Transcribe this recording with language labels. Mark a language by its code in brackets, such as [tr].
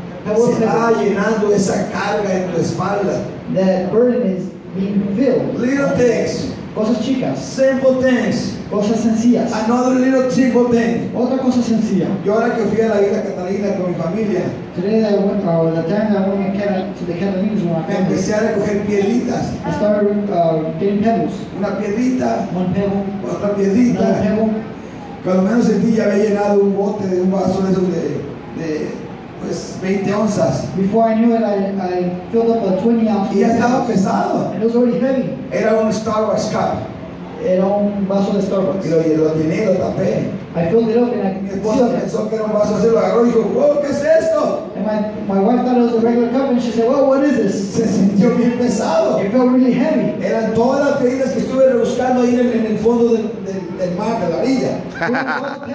[es] Se va llenando esa carga en tu espalda. [en] That burden is being filled. Little things. [es] Cosas chicas. [en] Simple things. [es] Cosas sencillas. [en] Another little simple thing. [es] Otra cosa sencilla. Yo ahora que fui a la Isla Catalina con mi familia. [en] Today I went, or the time that I went to the Catalinas with my family. [es] Empecé a recoger piedritas. [en] I started getting pebbles. [es] Una piedrita. [en] One pebble. [es] Otra piedrita. [en] Another pebble. [es] Cuando menos sentí ya había llenado un bote de un vaso de esos de pues 20 onzas. [en] Before I knew it, I filled up a 20 ounce. [es] Y estaba pesado. [en] It was already heavy. [es] Era un Starbucks cup. Era un vaso de Starbucks. Y lo llené, lo tapé. [en] I filled it up and I. [es] Mi esposa pensó que era un vaso así, lo agarró y dijo, wow, ¿qué es esto? [en] And my wife thought it was a regular cup and she said, wow, what is this? [es] Se sintió bien pesado. [en] It felt really heavy. [es] Eran todas las pedidas que estuve buscando ahí en el fondo del mar, de la orilla.